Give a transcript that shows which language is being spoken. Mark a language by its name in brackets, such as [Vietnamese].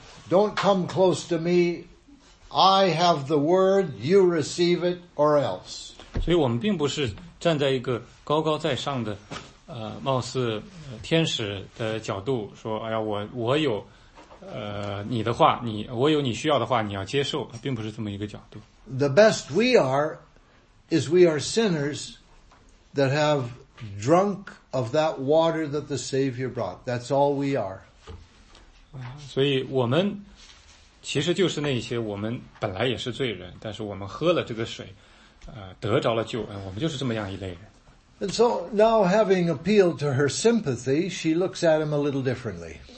[English] Don't come close to me. I have the word, you receive it, or else. [Chinese] 所以我们并不是站在一个高高在上的，貌似天使的角度，说，哎呀，我有你的话，我有你需要的话，你要接受，并不是这么一个角度。The [English] best we are is we are sinners that have drunk of that water that the Savior brought. That's all we are. [Chinese] 所以我们 其实就是那些我们本来也是罪人，但是我们喝了这个水，得着了救恩，我们就是这么样一类人。 [English] And so now having appealed to her sympathy, she looks at him a little differently.